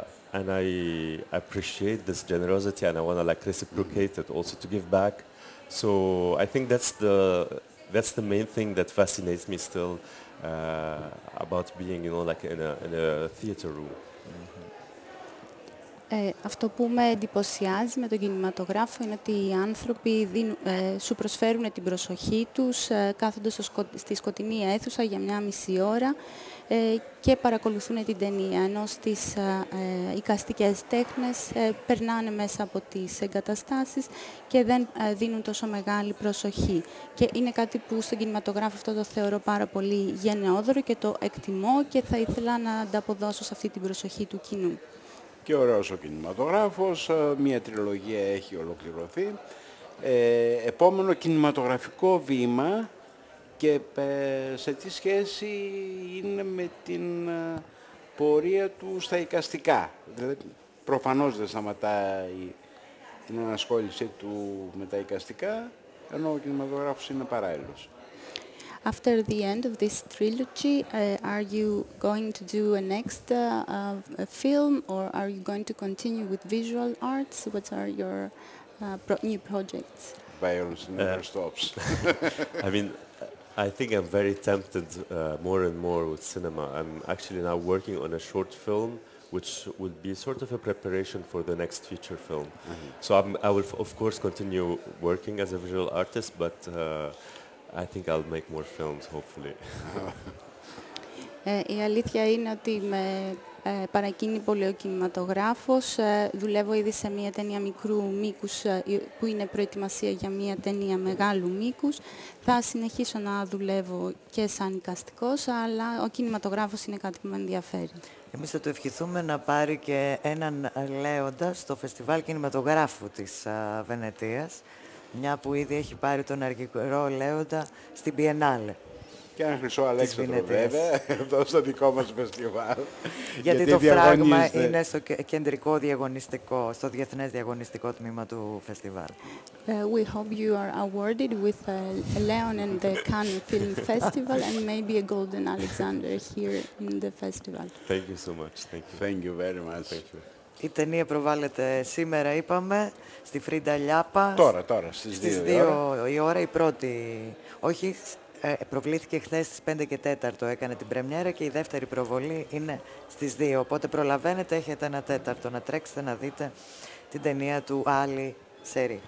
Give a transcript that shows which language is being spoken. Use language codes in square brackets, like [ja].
[en] And I appreciate this generosity, and I want to like reciprocate it also to give back. So I think that's the main thing that fascinates me still about being, you know, like in a theater room. [el] Αυτό που με εντυπωσιάζει με τον κινηματογράφο είναι ότι οι άνθρωποι σου προσφέρουν την προσοχή τους κάθονται στη σκοτεινή αίθουσα για μια μισή ώρα και παρακολουθούν την ταινία, ενώ στις εικαστικές τέχνες περνάνε μέσα από τις εγκαταστάσεις και δεν δίνουν τόσο μεγάλη προσοχή. Και είναι κάτι που στον κινηματογράφο αυτό το θεωρώ πάρα πολύ γενναιόδωρο και το εκτιμώ και θα ήθελα να ανταποδώσω σε αυτή την προσοχή του κοινού. Και ωραίος ο κινηματογράφος, μία τριλογία έχει ολοκληρωθεί. Επόμενο κινηματογραφικό βήμα και σε τι σχέση είναι με την πορεία του στα εικαστικά. Δηλαδή, προφανώς δεν σταματάει την ενασχόλησή του με τα εικαστικά, ενώ ο κινηματογράφος είναι παράλληλος. [en] After the end of this trilogy, are you going to do a next film, or are you going to continue with visual arts? What are your new projects? Violence never stops. I mean, I think I'm very tempted more and more with cinema. I'm actually now working on a short film, which will be sort of a preparation for the next feature film. Mm-hmm. So I will of course continue working as a visual artist, but I think I'll make more films, hopefully. [el] Η αλήθεια είναι ότι με παρακίνει πολύ ο κινηματογράφος. Δουλεύω ήδη σε μία ταινία μικρού μήκους, που είναι προετοιμασία για μία ταινία μεγάλου μήκους. Θα συνεχίσω να δουλεύω και σαν εικαστικός, αλλά ο κινηματογράφος είναι κάτι που με ενδιαφέρει. Εμείς θα του ευχηθούμε να πάρει και έναν Λέοντα στο Φεστιβάλ Κινηματογράφου της Βενετίας. Μια που ήδη έχει πάρει τον αρχηγό Λέοντα στην Biennale. Και ένα χρυσό Αλέξανδρο, βέβαια, εδώ στο δικό μας φεστιβάλ. Γιατί το φράγμα είναι στο κεντρικό διαγωνιστικό, στο διεθνές διαγωνιστικό τμήμα του φεστιβάλ. [en] We hope you are awarded with Leon and the Cannes Film Festival and maybe a Golden Alexander here in the festival. Thank you so much. Thank you. Thank you very much. Thank you. [el] Η ταινία προβάλλεται σήμερα, είπαμε, στη Φρίντα Λιάπα. Τώρα, στις 2 η ώρα. Η πρώτη, όχι, προβλήθηκε χθες στις 5 και 4, έκανε την πρεμιέρα και η δεύτερη προβολή είναι στις 2. Οπότε προλαβαίνετε, έχετε ένα τέταρτο, να τρέξετε να δείτε την ταινία του Άλι Σερί.